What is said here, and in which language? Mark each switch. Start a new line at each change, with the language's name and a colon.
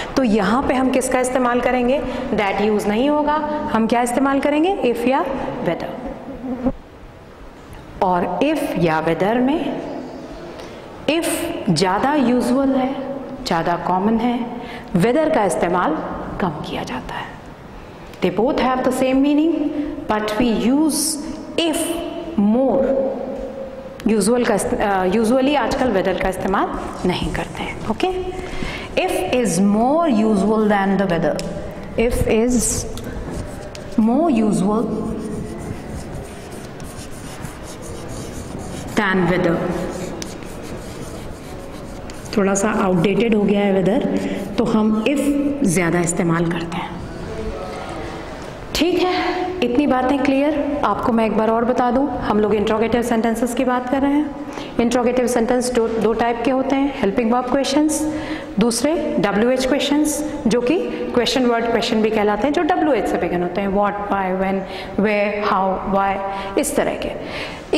Hindi: तो यहां पे हम किसका इस्तेमाल करेंगे, दैट यूज नहीं होगा, हम क्या इस्तेमाल करेंगे, इफ या वेदर। और इफ या वेदर में इफ ज्यादा यूजुअल है, ज्यादा कॉमन है, वेदर का इस्तेमाल कम किया जाता है।
English: They both have the same meaning, but we use if more.
Hindi: Usually आजकल weather का इस्तेमाल नहीं करते हैं, okay?
English: If is more usual than the weather. If is more usual than weather.
Hindi: थोड़ा सा outdated हो गया है weather, तो हम if ज़्यादा इस्तेमाल करते हैं। ठीक है, इतनी बातें क्लियर। आपको मैं एक बार और बता दूं, हम लोग इंट्रोगेटिव सेंटेंसेस की बात कर रहे हैं। इंट्रोगेटिव सेंटेंस दो टाइप के होते हैं, हेल्पिंग वर्ब क्वेश्चंस, दूसरे WH क्वेश्चंस जो कि क्वेश्चन वर्ड क्वेश्चन भी कहलाते हैं, जो WH से बिगन होते हैं, what, why, when, where, how, why, इस तरह के।